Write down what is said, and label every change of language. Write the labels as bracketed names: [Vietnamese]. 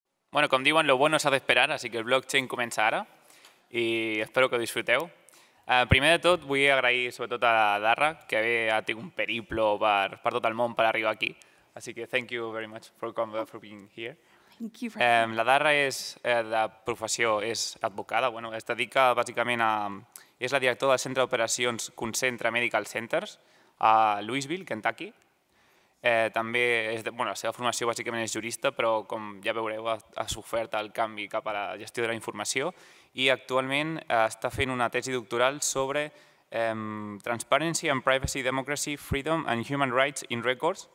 [Catalan] Bueno, com diuen, [Spanish] lo bueno [Catalan] s'ha d'esperar, [Spanish] así que [Catalan] el blockchain comença ara i espero que ho disfruteu. Primer de tot, vull agrair sobretot a Darra, que ha tingut un periplo per tot el món per arribar aquí. [Spanish] Así que [English] thank you very much for being here. Thank you. [Catalan] La Darra és de professió, és advocada, bueno, es dedica bàsicament a... És la directora del Centre d'Operacions Concentra Medical Centers a Louisville, Kentucky. També és, bueno, la seva formació bàsicament és jurista, però com ja veureu ha sofert el canvi cap a la gestió de la informació i actualment està fent una tesi doctoral sobre [English] Transparency and Privacy, Democracy, Freedom and Human Rights in Records.